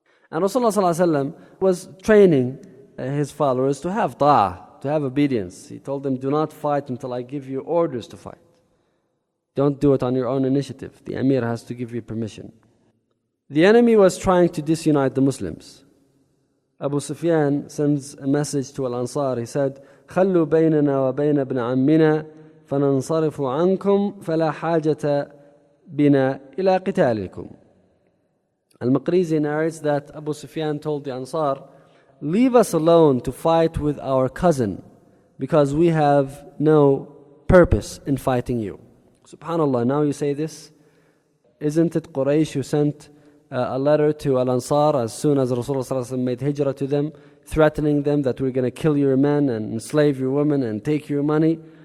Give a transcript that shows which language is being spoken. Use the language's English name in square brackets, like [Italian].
[English] And Rasulullah sallallahu alayhi wa sallam was training his followers to have ta'ah, to have obedience. He told them, do not fight until I give you orders to fight. Don't do it on your own initiative. The emir has to give you permission. The enemy was trying to disunite the Muslims. Abu Sufyan sends a message to Al-Ansar. He said, [Arabic] خَلُّوا بَيْنَنَا وَبَيْنَ ابْنَ عَمِّنَا فَنَنْصَرِفُ عَنْكُمْ فَلَا حَاجَةَ بِنَا إِلَىٰ قِتَالِكُمْ. [English] Al-Maqrizi narrates that Abu Sufyan told the Ansar, leave us alone to fight with our cousin because we have no purpose in fighting you. SubhanAllah, now you say this, isn't it Quraysh who sent a letter to Al-Ansar as soon as Rasulullah ﷺ made hijrah to them, threatening them that we're going to kill your men and enslave your women and take your money?